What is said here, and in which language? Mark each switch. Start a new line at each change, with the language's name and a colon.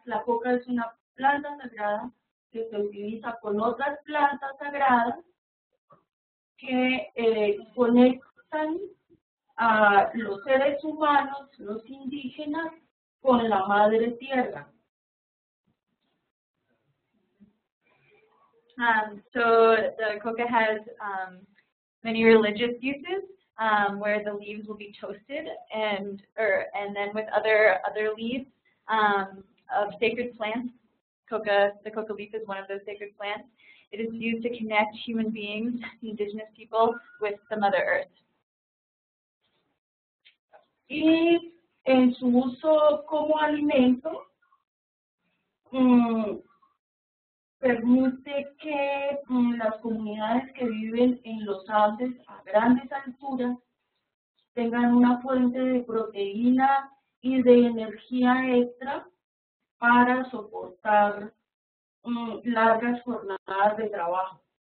Spanish: La coca es una planta sagrada que se utiliza con otras plantas sagradas que conectan a los seres humanos, los indígenas, con la madre tierra.
English: So the coca has many religious uses, where the leaves will be toasted and then with other leaves of sacred plants. The coca leaf is one of those sacred plants. It is used to connect human beings, the indigenous people, with the Mother Earth.
Spanish: Y en su uso como alimento, permite que las comunidades que viven en los Andes a grandes alturas tengan una fuente de proteína y de energía extra para soportar largas jornadas de trabajo.